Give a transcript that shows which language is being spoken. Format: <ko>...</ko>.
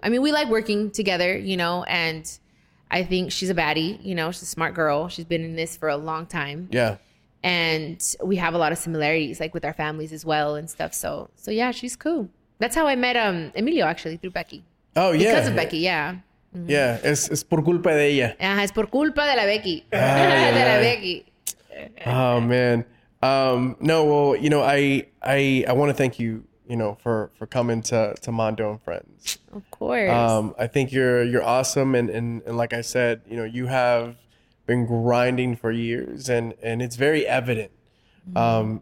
<en>I mean, we like working together, you know, and I think she's a baddie, you know, she's a smart girl. She's been in this for a long time. Yeah. And we have a lot of similarities, like with our families as well and stuff. So yeah, she's cool. That's how I met Emilio, actually, through Becky. Oh, yeah. Because of Becky, yeah. Mm-hmm.</en> <es>Yeah, es por culpa de ella. Ajá, es por culpa de la Becky.</es> <en>Becky. Oh, man. No, well, you know, I want to thank you, you know, for coming to Mondo and Friends. Of course. I think you're awesome. And like I said, you know, you have been grinding for years and it's very evident. Mm-hmm.</en>